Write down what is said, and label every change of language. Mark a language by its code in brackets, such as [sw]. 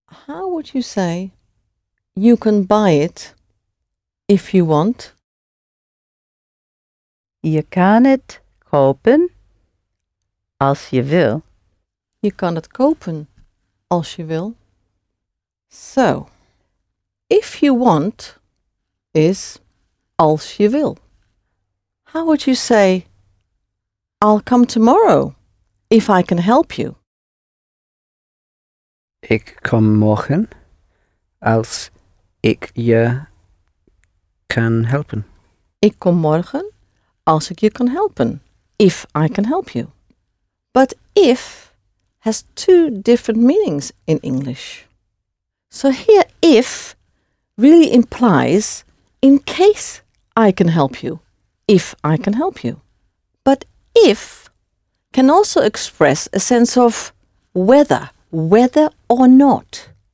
[en] How would you say you can buy it if you want? [nl] Je kan het kopen als je wil. Je kan het kopen als je wil. [en] So, if you want is [nl] als je wil. [en] How would you say, I'll come tomorrow if I can help you? [nl] Ik kom morgen als ik je kan helpen. Ik kom morgen als ik je kan helpen. [en] If I can help you. But if has two different meanings in English. So here, if really implies in case I can help you. If I can help you. But if can also express a sense of whether or not.